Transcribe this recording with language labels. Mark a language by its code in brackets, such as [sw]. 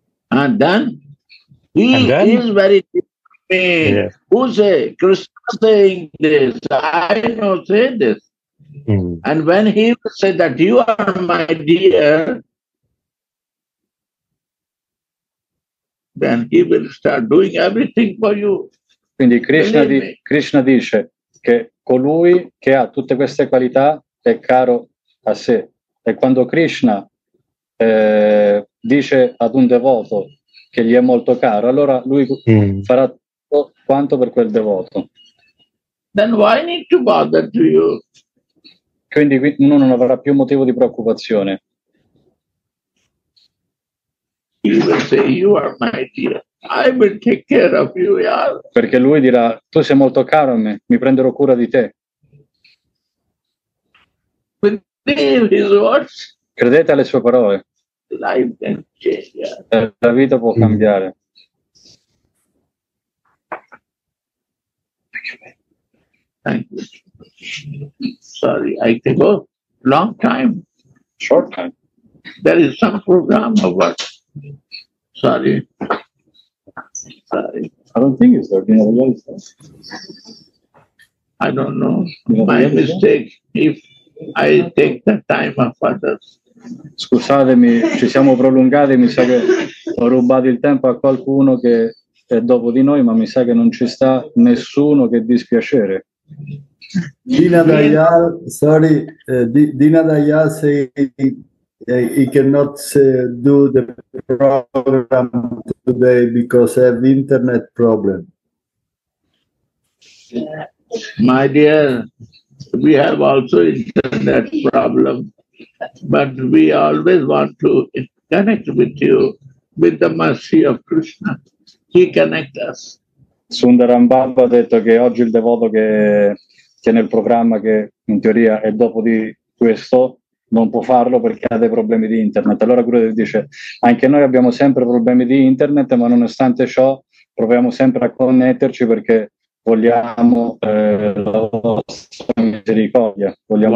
[en] And then? He is very dear to me. Yeah. Who say? Krishna saying this. I don't say this. And when he said that you are my dear, then he will start doing everything for you. [it] Quindi Krishna, Krishna dice che colui che ha tutte queste qualità è caro a sé. E quando Krishna dice ad un devoto che gli è molto caro, allora lui farà tutto quanto per quel devoto. [en] Then why need to bother to you? [it] Quindi uno non avrà più motivo di preoccupazione. [en] You will say, you are my dear. I will take care of you. Yeah. [it] Perché lui dirà, tu sei molto caro a me, mi prenderò cura di te. [en] Believe his words. [it] Credete alle sue parole. [en] Life can change. [it] Yeah. La vita può cambiare. [en] Thank you. Sorry, I can go long time. Short time. There is some program of work. Sorry. Sorry. I don't think it's there. I don't know. My mistake if I take the time of others. [it] Scusatemi, ci siamo prolungati. Mi sa che ho rubato il tempo a qualcuno che è dopo di noi, ma mi sa che non ci sta nessuno che dispiacere. [en] Dina Dayal, sorry, Dina Dayal say he cannot do the program today because of internet problem. My dear, we have also internet problem, but we always want to connect with you with the mercy of Krishna. He connects us. [it] Sundaram Babu ha detto che oggi il devoto che tiene il programma, che in teoria è dopo di questo, non può farlo perché ha dei problemi di internet. Allora Gurudev dice, anche noi abbiamo sempre problemi di internet, ma nonostante ciò proviamo sempre a connetterci perché vogliamo la vostra misericordia, vogliamo